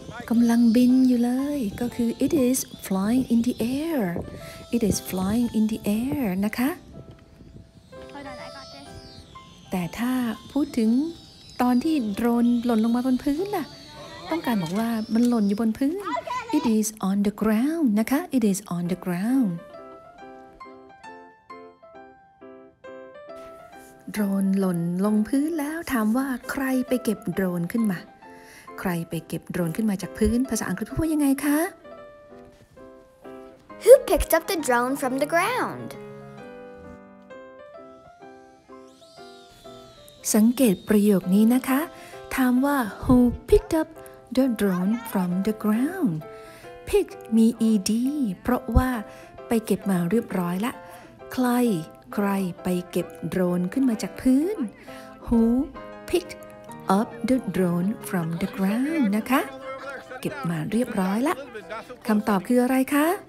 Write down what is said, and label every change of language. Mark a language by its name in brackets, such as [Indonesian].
[Thai] กำลังบินอยู่เลยก็คือ [English] It is flying in the air [Thai] It is flying in the air นะคะแต่ถ้าพูดถึงตอนที่โดรนหล่นลงมาบนพื้นล่ะต้องการบอกว่ามันหล่นอยู่บนพื้น [English] It is on the ground [Thai] นะคะ [English] It is on the ground [Thai] โดรนหล่นลงพื้นแล้วถามว่าใครไปเก็บโดรนขึ้นมาใครไปเก็บโดรนขึ้นมาจากพื้นภาษาอังกฤษพูดว่ายังไงคะ [English] Who picked up the drone from the ground [Thai] สังเกตประโยคนี้นะคะถามว่า [English] Who picked upThe drone from the ground. [Thai] Pick มี ed เพราะว่าไปเก็บมาเรียบร้อยละใครไปเก็บโดรนขึ้นมาจากพื้น [English] Who picked up the drone from the ground [Thai] นะคะเก็บมาเรียบร้อยละคำตอบคืออะไรคะ